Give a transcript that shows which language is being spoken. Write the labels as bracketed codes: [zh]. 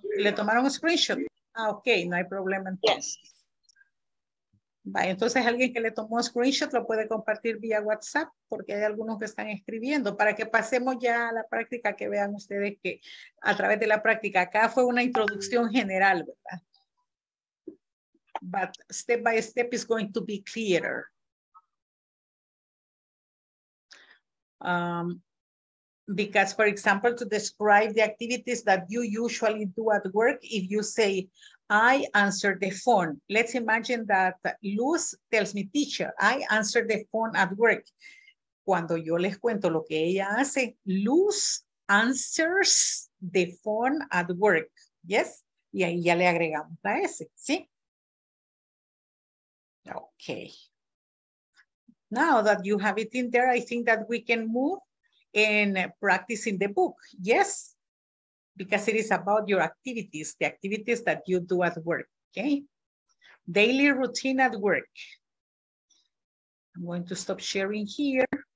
[es] ¿Le tomaron un screenshot? Ah, ok, no hay problema entonces. Vale, entonces alguien que le tomó un screenshot lo puede compartir vía WhatsApp, porque hay algunos que están escribiendo, para que pasemos ya a la práctica, que vean ustedes que a través de la práctica, acá fue una introducción general, ¿verdad? [en] But step by step is going to be clearer. Because, for example, to describe the activities that you usually do at work, if you say, I answer the phone. Let's imagine that Luz tells me, teacher, I answer the phone at work. [es] Cuando yo les cuento lo que ella hace, [en] Luz answers the phone at work. Yes? [es] Y ahí ya le agregamos la S, ¿sí? [en] Okay. Now that you have it in there, I think that we can move and practice in the book. Yes? Because it is about your activities, the activities that you do at work, okay? Daily routine at work. I'm going to stop sharing here.